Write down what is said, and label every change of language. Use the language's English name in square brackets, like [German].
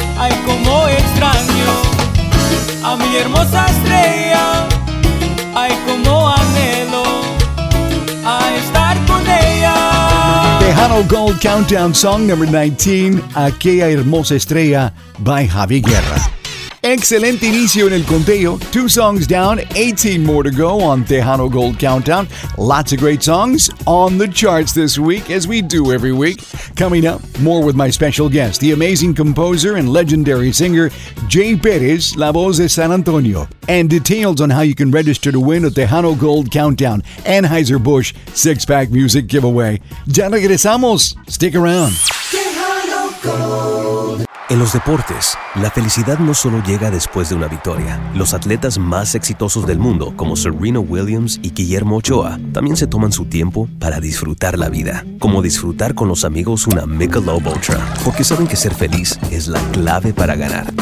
[Spanish] Ay, como extraño a mi hermosa estrella. Ay, como anhelo a estar con ella. [English] Tejano Gold Countdown Song Number 19, Aquella Hermosa Estrella by Javi Guerra. [Spanish] Excelente inicio en el conteo. [English] Two songs down, 18 more to go on Tejano Gold Countdown. Lots of great songs on the charts this week, as we do every week. Coming up, more with my special guest, the amazing composer and legendary singer, Jay Perez, La Voz de San Antonio. And details on how you can register to win a Tejano Gold Countdown Anheuser-Busch six-pack music giveaway. [Spanish] Ya regresamos. [English] Stick around. [Spanish] Tejano [English] Gold. [Spanish] En los deportes, la felicidad no solo llega después de una victoria. Los atletas más exitosos del mundo, como Serena Williams y Guillermo Ochoa, también se toman su tiempo para disfrutar la vida. Como disfrutar con los amigos una Michelob Ultra. Porque saben que ser feliz es la clave para ganar.